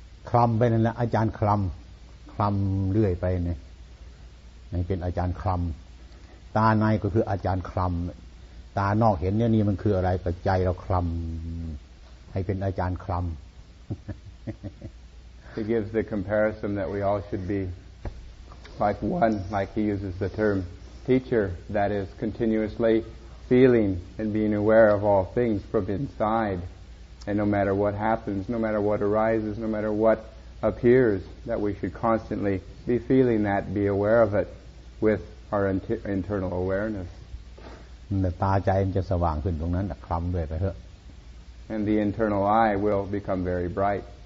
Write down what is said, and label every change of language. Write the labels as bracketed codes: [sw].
[th] คลำไปนั่นแหละอาจารย์คลำคลำเรื่อยไปเนี่ยเป็นอาจารย์คลำตาในก็คืออาจารย์คลำตานอกเห็นเนี่ยนี่มันคืออะไรกับใจเราคลำให้เป็นอาจารย์คลำ [en] He gives the comparison that we all should be like one like he uses the term teacher that is continuously feeling and being aware of all things from insideAnd no matter what happens, no matter what arises, no matter what appears, that we should constantly be feeling that, be aware of it with our internal awareness. [th] ตาใจมันจะสว่างขึ้นตรงนั้นคล้ำด้วยไปเถอะ [en] And the internal eye will become very bright.